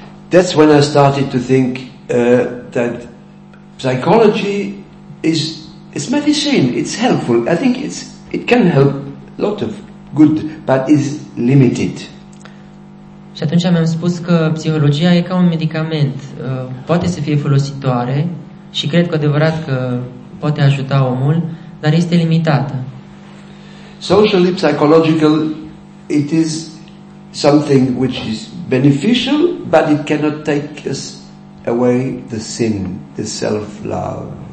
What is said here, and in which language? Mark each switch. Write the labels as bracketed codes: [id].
[en] That's when I started to think that psychology is medicine, it's helpful. I think it can help a lot of good, but is limited. [ro] Și atunci mi-am spus că psihologia e ca un medicament, poate să fie folositoare și cred cu adevărat că poate ajuta omul, dar este limitată. [en] Socially psychological, it is something which is beneficial, but it cannot take us away the sin, the self-love.